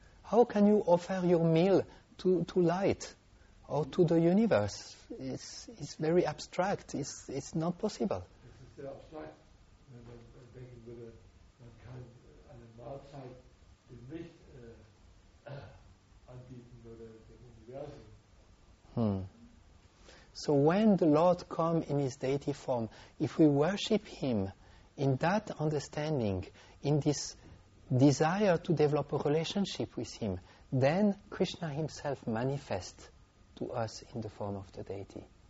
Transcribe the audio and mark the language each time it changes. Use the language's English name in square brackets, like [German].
[English] How can you offer your meal to light or to the universe? It's very abstract. It's not possible. [German] Es ist sehr abstrakt, wenn man denken würde, man kann eine Mahlzeit dem Licht anbieten oder dem Universum. [English] So when the Lord comes in His deity form, if we worship Him in that understanding, in this desire to develop a relationship with Him, then Krishna Himself manifests to us in the form of the deity.